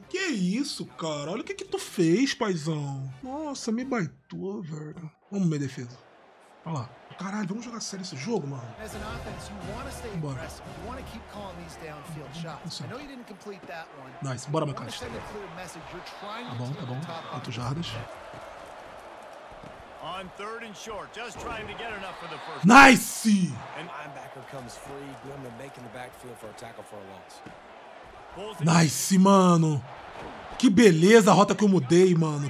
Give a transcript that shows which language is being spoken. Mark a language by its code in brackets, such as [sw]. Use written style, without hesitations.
[pt] Que isso, cara? Olha o que que tu fez, paizão. Nossa, me baitou, velho. Vamos, minha defesa. Olha lá. Caralho, vamos jogar sério esse jogo, mano. [en] As an offense, you want to stay aggressive. You want to keep calling these downfield shots. I know you didn't complete that one. Nice, bora, McCaffrey. Send a clear message. You're trying to [pt] tá bom, quatro jardas. [en] On third and short, just trying to get enough for the first. Nice! And linebacker comes free. Gilman making the backfield for a tackle for a loss. [pt] Nice, mano. Que beleza a rota que eu mudei, mano.